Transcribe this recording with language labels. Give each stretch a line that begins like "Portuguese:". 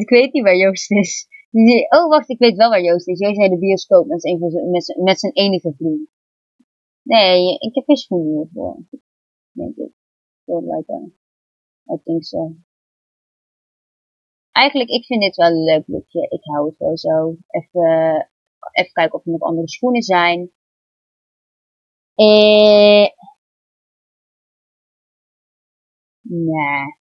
Dutch: Ik weet niet waar Joost is. Oh, wacht, ik weet wel waar Joost is. Joost heeft de bioscoop met zijn enige vriend. Nee, ik heb geen schoenen hiervoor. Denk ik.
English: Don't like that. I think so.
Dutch: Eigenlijk, ik vind dit wel een leuk lookje. Ik hou het wel zo. Even kijken of er nog andere schoenen zijn. Nee.